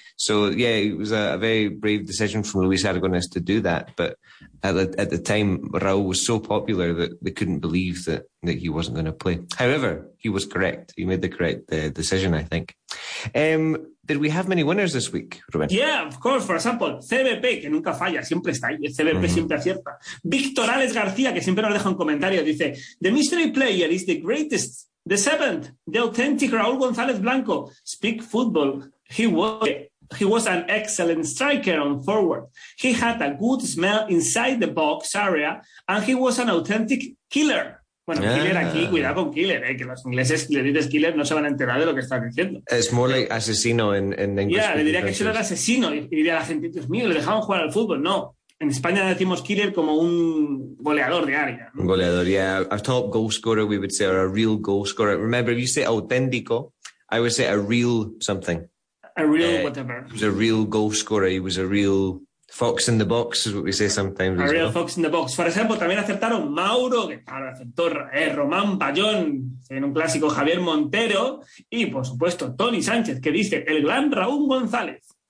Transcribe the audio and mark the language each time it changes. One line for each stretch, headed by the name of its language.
English: So yeah, it was a very brave decision from Luis Aragonés to do that. But at the time, Raúl was so popular that they couldn't believe that he wasn't going to play. However, he was correct. He made the correct decision, I think. Did we have many winners this week, Rubén? Yeah, of course. For example,
Spanish: CBP, que nunca falla, siempre está ahí. CBP mm-hmm. siempre acierta. Víctor Álex García, que siempre nos deja un comentario, dice,
English: the mystery player is the greatest, the seventh, the authentic Raúl González Blanco. Speak football. He was an excellent striker on forward. He had a good smell inside the box area, and he was an authentic killer.
Spanish: Bueno, yeah. Killer aquí, cuidado con killer, que los ingleses, le dices killer, no se van a enterar de lo que están diciendo. Es
English: more like
Spanish: asesino en inglés. Ya, le diría que eso era asesino, y diría la gente, Dios mío, le dejaban jugar al fútbol. No, en España decimos killer como un goleador de área. Un goleador,
English: yeah. A top goal scorer, we would say, or a real goal scorer. Remember, if you say auténtico, I would say a real something. A real whatever. He was a real goal scorer, he was a real fox in the box, is what we say sometimes. A real fox in the box. For example,
Spanish: también acertaron Mauro, que claro, acertó Román Bayón en un clásico, Javier Montero, y por supuesto, Tony Sánchez, que dice, el gran Raúl González.